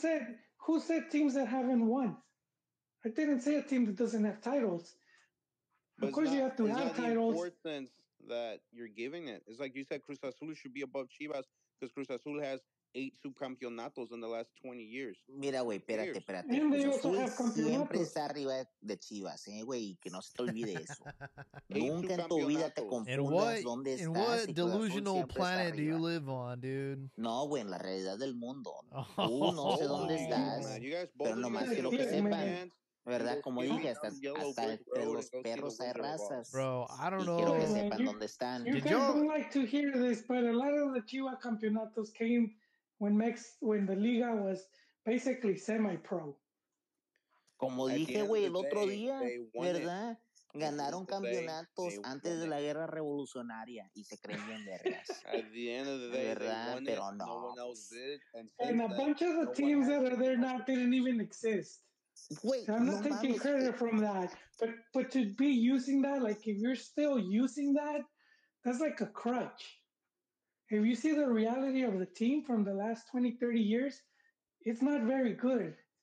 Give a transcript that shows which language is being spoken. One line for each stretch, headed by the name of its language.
English: But who said teams that haven't won? I didn't say a team that doesn't have titles. But of course, not, you have to have titles. That you're giving it. It's like you said, Cruz Azul should be above Chivas because Cruz Azul has 8 subcampeonatos in the last 20 years.
Spanish: Mira, güey, espérate. Cruz Azul siempre está arriba de Chivas, güey, y que no se te olvide eso. Nunca en tu vida te confundas dónde estás.
English: In what delusional planet do you live on, dude?
Spanish: No, güey, en la realidad del mundo. Tú no sé dónde estás, pero nomás quiero que sepan. ¿Verdad? Como dije, hasta entre los perros hay razas.
English: Bro, I don't know.
Spanish: Y quiero que sepan dónde están.
English: You guys don't like to hear this, but a lot of the Chiva campeonatos came when the Liga was basically semi-pro.
Spanish: Como dije, güey, el otro día, ¿verdad? Ganaron campeonatos antes de la Guerra Revolucionaria y se creen bien vergas. ¿Verdad? Pero no.
English: And a bunch of the teams that are there now didn't even exist. Wait, so I'm not taking credit from that, but to be using that, like if you're still using that, that's like a crutch. If you see the reality of the team from the last 20, 30 years, it's not very good.